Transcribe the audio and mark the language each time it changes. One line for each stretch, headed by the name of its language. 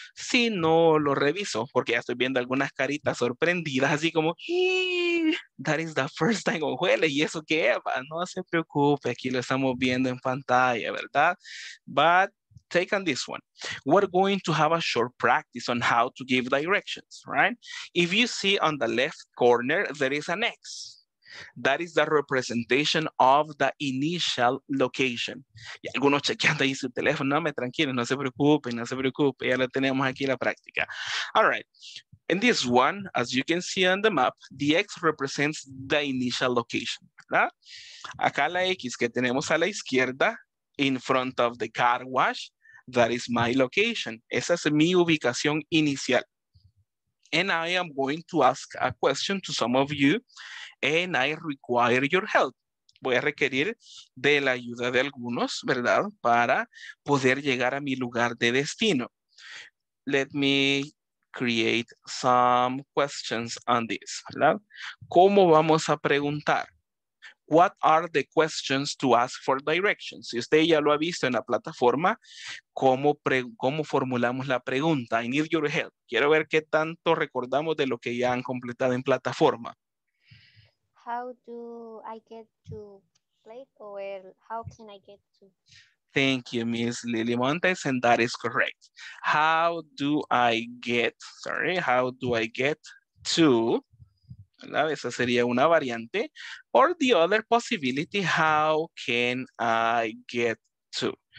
Spanish: Si no lo reviso, porque ya estoy viendo algunas caritas sorprendidas, así como,
English: that is the first time,
Spanish: ojuele, ¿y eso qué? No se preocupe, aquí lo estamos viendo en pantalla, ¿verdad?
English: But take on this one. We're going to have a short practice on how to give directions, right? If you see on the left corner, there is an X. That is the representation of the initial location.
Spanish: Y algunos chequeando ahí su teléfono, no me tranquilo, no se preocupe, no se preocupe, ya la tenemos aquí la práctica.
English: All right. In this one, as you can see on the map, the X represents the initial location, ¿verdad?
Spanish: Acá la X que tenemos a la izquierda,
English: in front of the car wash, that is my location.
Spanish: Esa es mi ubicación inicial.
English: And I am going to ask a question to some of you, and I require your help.
Spanish: Voy a requerir de la ayuda de algunos, ¿verdad? Para poder llegar a mi lugar de destino.
English: Let me create some questions on this, ¿verdad?
Spanish: ¿Cómo vamos a preguntar?
English: What are the questions to ask for directions?
Spanish: Si usted ya lo ha visto en la plataforma, ¿cómo formulamos la pregunta?
English: I need your help.
Spanish: Quiero ver qué tanto recordamos de lo que ya han completado en plataforma.
English: How do I get to place, or how can I get to? Thank you, Miss Lily Montes, and that is correct. How do I get, sorry, how do I get to? ¿Verdad?
Spanish: Esa sería una variante.
English: Or the other possibility, how can I get to?